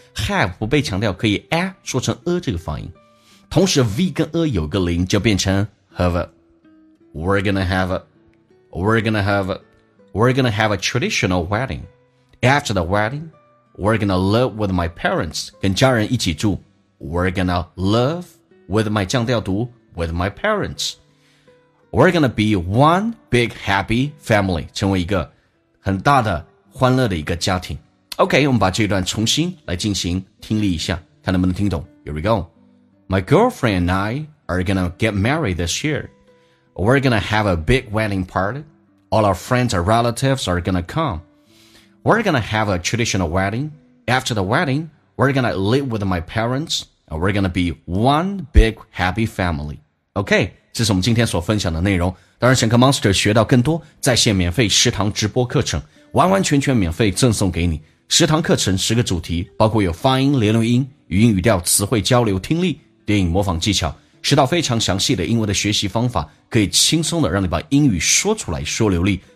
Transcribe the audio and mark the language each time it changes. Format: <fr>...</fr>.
<zh>Have 不被强调，可以 a 说成 a 这个发音。同时 v 跟 a 有个零，就变成 have a。</zh> <en>We're gonna have a.</en> <zh>We're gonna have a.</zh> <en>We're gonna have a traditional wedding. After the wedding, we're gonna live with my parents.</en> <zh>跟家人一起住。</zh> <en>We're gonna live with my</en> <zh>降调读</zh> <en>with my parents. We're gonna be one big happy family.</en> <zh>成为一个很大的欢乐的一个家庭。 OK, 我们把这段重新来进行听力一下，看能不能听懂。</zh> <en>Here we go. My girlfriend and I are gonna get married this year. We're gonna have a big wedding party. All our friends and relatives are gonna come. We're gonna have a traditional wedding. After the wedding, we're gonna live with my parents, and we're gonna be one big happy family.</en> <zh>Okay, 这是我们今天所分享的内容。当然，想跟 Monster 学到更多在线免费十堂直播课程，完完全全免费赠送给你。十堂课程十个主题，包括有发音、连读音、语音语调、词汇交流、听力、电影模仿技巧，十道非常详细的英文的学习方法，可以轻松的让你把英语说出来、说流利。</zh>